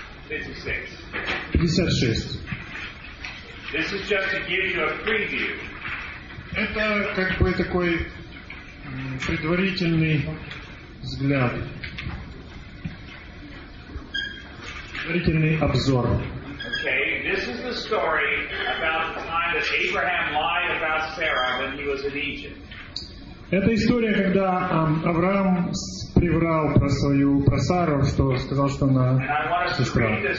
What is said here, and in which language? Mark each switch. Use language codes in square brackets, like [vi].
[en] This is just to give you a preview. [ru] Это как бы такой предварительный взгляд. Предварительный обзор. [en] Okay, this is the story about the time that Abraham lied about Sarah when he was in Egypt. [ru] Это история, когда Авраам приврал про свою, про Сару, что сказал, что она сестра.